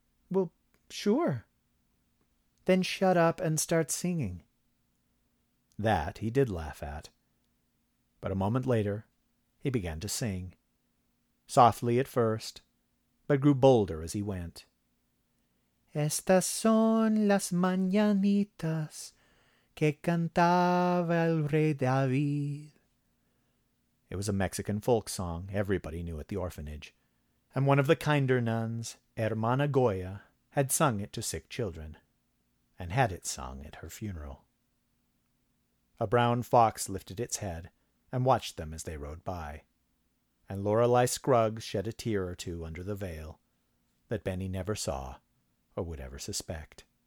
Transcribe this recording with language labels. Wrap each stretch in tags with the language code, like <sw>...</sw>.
<en>Well, sure. Then shut up and start singing. That he did laugh at. But a moment later, he began to sing. Softly at first, but grew bolder as he went.</en> <es>Estas son las mañanitas que cantaba el rey David.</es> <en>It was a Mexican folk song everybody knew at the orphanage, and one of the kinder nuns, Hermana Goya, had sung it to sick children, and had it sung at her funeral. A brown fox lifted its head and watched them as they rode by, and Lorelei Scruggs shed a tear or two under the veil that Benny never saw or would ever suspect.</en>